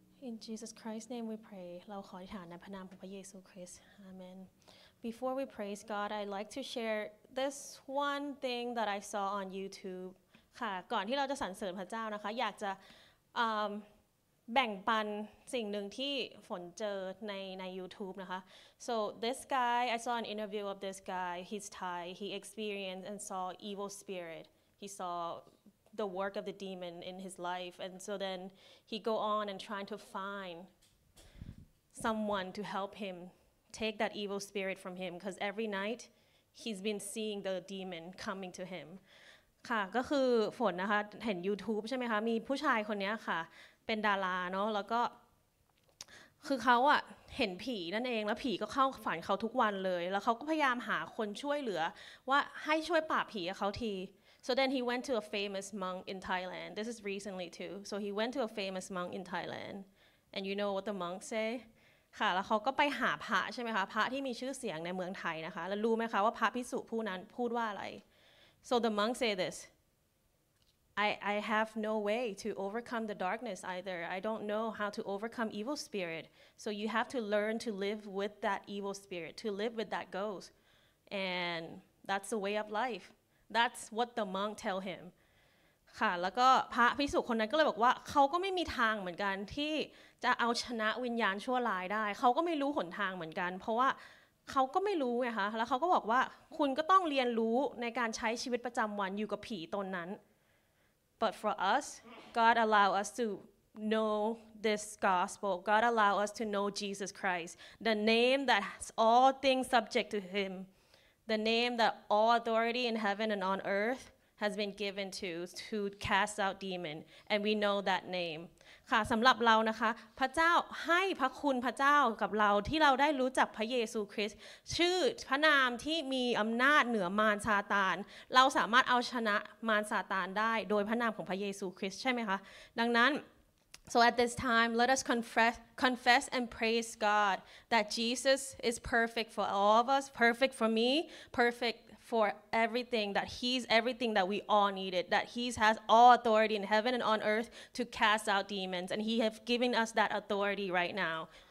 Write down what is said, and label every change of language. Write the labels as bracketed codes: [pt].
[en] In Jesus Christ's name we pray. [th] เราขออธิษฐานในพระนามของพระเยซูคริสต์ [en] Amen. Before we praise God, I'd like to share this one thing that I saw on YouTube. [th] ค่ะก่อนที่เราจะสรรเสริญพระเจ้านะคะอยากจะแบ่งปันสิ่งหนึ่งที่ฝนเจอใน YouTube นะคะ [en] So this guy, I saw an interview of this guy. He's Thai. He experienced and saw evil spirit. He sawthe work of the demon in his life and so then he go on and trying to find someone to help him take that evil spirit from him because every night he's been seeing the demon coming to him [th] ค่ะก็คือฝนนะคะเห็น YouTube ใช่ไหมคะมีผู้ชายคนนี้ค่ะเป็นดาราเนาะแล้วก็ คือเขาอะเห็นผีนั่นเองแล้วผีก็เข้าฝันเขาทุกวันเลยแล้วเขาก็พยายามหาคนช่วยเหลือว่าให้ช่วยปราบผีเขาที [en] So then he went to a famous monk in Thailand. This is recently too. So he went to a famous monk in Thailand. And you know what the monk say? [th] ค่ะแล้วเขาก็ไปหาพระใช่ไหมคะพระที่มีชื่อเสียงในเมืองไทยนะคะแล้วรู้ไหมคะว่าพระภิกษุผู้นั้นพูดว่าอะไร [en] So the monk say this. I have no way to overcome the darkness either. I don't know how to overcome evil spirit. So you have to learn to live with that evil spirit, to live with that ghost. And that's the way of life. That's what the monk tell him. [th] ค่ะแล้วก็พระภิกษุคนนั้นก็เลยบอกว่าเขาก็ไม่มีทางเหมือนกันที่จะเอาชนะวิญญาณชั่วร้ายได้เขาก็ไม่รู้หนทางเหมือนกันเพราะว่าเขาก็ไม่รู้ไงคะแล้วเขาก็บอกว่าคุณก็ต้องเรียนรู้ในการใช้ชีวิตประจำวันอยู่กับผีตนนั้น [en] But for us, God allow us to know this gospel. God allow us to know Jesus Christ, the name that has all things subject to Him. The name that all authority in heaven and on earth has been given to cast out demon and we know that name [th] ค่ะสําหรับเรานะคะพระเจ้าให้พระคุณพระเจ้ากับเราที่เราได้รู้จักพระเยซูคริสต์ชื่อพระนามที่มีอํานาจเหนือมารซาตานเราสามารถเอาชนะมารซาตานได้โดยพระนามของพระเยซูคริสต์ใช่มั้ยคะดังนั้น [en] So at this time let us confess and praise God that Jesus is perfect for all of us, perfect for me, perfect for everything, that he's everything that we all needed, that he has all authority in heaven and on earth to cast out demons, and he has given us that authority right now.